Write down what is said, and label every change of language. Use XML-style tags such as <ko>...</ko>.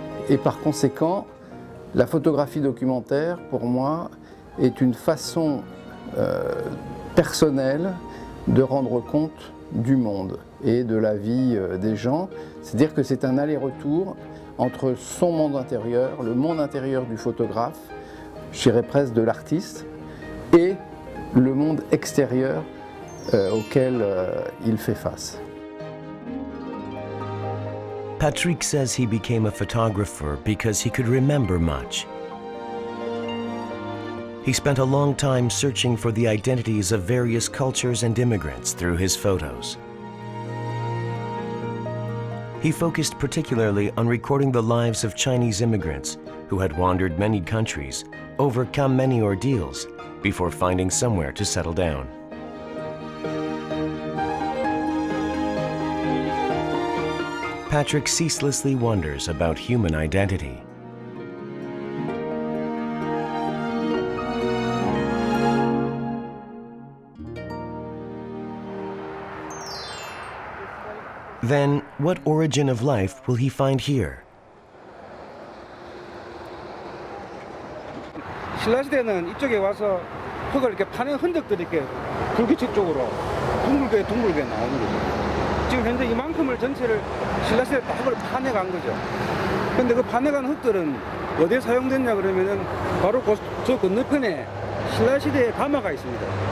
<fr>Et par conséquent, la photographie documentaire, pour moi, est une façon personnelle de rendre compte du monde et de la vie des gens. C'est-à-dire que c'est un aller-retour entre son monde intérieur, le monde intérieur du photographe, je dirais presque de l'artiste, et le monde extérieur auquel il fait face.</fr> <en>Patrick says he became a photographer because he could remember much. He spent a long time searching for the identities of various cultures and immigrants through his photos. He focused particularly on recording the lives of Chinese immigrants who had wandered many countries, overcome many ordeals, before finding somewhere to settle down. Patrick ceaselessly wonders about human identity. Then, what origin of life will he find here?</en> <ko>신라시대는 이쪽에 와서 흙을 이렇게 파는 흔적들이 이렇게 불규칙 쪽으로 둥글게 둥글게 나오는 거죠. 지금 현재 이만큼을 전체를 신라시대 때 흙을 파내간 거죠. 그런데 그 파내간 흙들은 어디에 사용됐냐 그러면은 바로 저 건너편에 신라시대의 가마가 있습니다.</ko>